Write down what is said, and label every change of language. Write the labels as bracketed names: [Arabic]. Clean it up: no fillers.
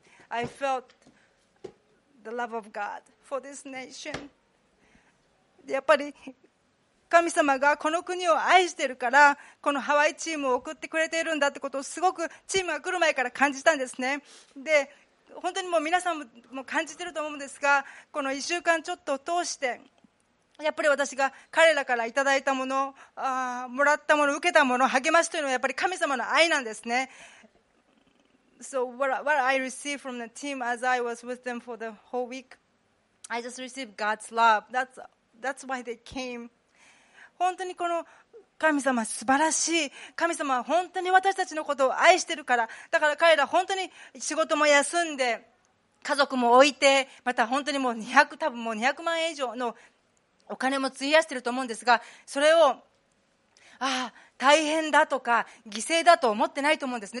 [English] I felt the love of God for this nation. [Japanese] やっぱり神様がこの国を愛してるから、このハワイチームを送ってくれているんだってことをすごくチームが来る前から感じたんですね。で、本当にもう皆さんも感じてると思うんですが、この1週間ちょっと通して、やっぱり私が彼らからいただいたもの、もらったもの、受けたもの、励ましというのはやっぱり神様の愛なんですね。 [English] So what I received from the team as I was with them for the whole week, I just received God's love. That's why they came. [Japanese] 本当にこの神様素晴らしい。神様は本当に私たちのことを愛してるから。だから彼ら本当に仕事も休んで、家族も置いて、また本当にもう200万円以上のお金も費やしてると思うんですが、それを、ああ、大変だとか犠牲だと思ってないと思うんですね。